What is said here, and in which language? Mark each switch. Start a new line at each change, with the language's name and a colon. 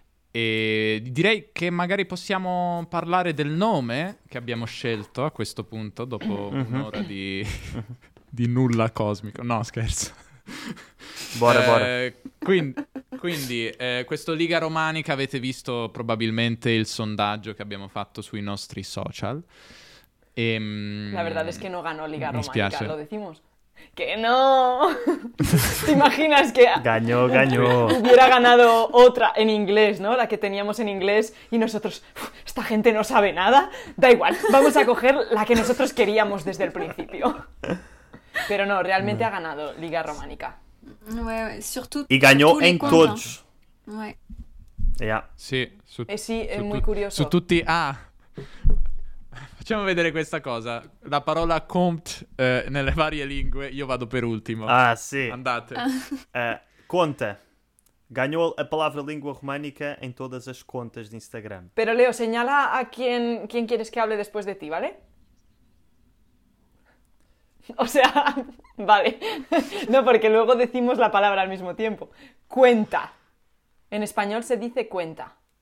Italian: E direi che magari possiamo parlare del nome che abbiamo scelto a questo punto, dopo un'ora di nulla cosmico. No, scherzo.
Portuguese: Bora.
Italian: Quindi, questo Liga Romanica avete visto probabilmente il sondaggio che abbiamo fatto sui nostri social. E,
Spanish: la verdad es que no ganó Liga Romanica, spiace. Lo decimos. ¡Que no! ¿Te imaginas que ganó. Hubiera ganado otra en inglés, ¿no? La que teníamos en inglés y nosotros, esta gente no sabe nada. Da igual, vamos a coger la que nosotros queríamos desde el principio. Pero no, realmente ha ganado Liga Románica.
French: Ouais, surtout,
Spanish: y ganó surtout en todos.
French: Ouais.
English: Yeah.
Spanish: Sí, sí, es muy curioso.
Italian: Su tutti. Ah, facciamo vedere questa cosa. la parola compte nelle varie lingue, io vado per ultimo. Ah, sì. Andate. Conte.
Portuguese: Ganhou a palavra língua românica em todas as contas de Instagram.
Spanish: Pero Leo, señala a quién quieres que hable después de ti, ¿vale? O sea, vale. No, porque luego decimos la palabra al mismo tiempo. Cuenta. En español se dice cuenta.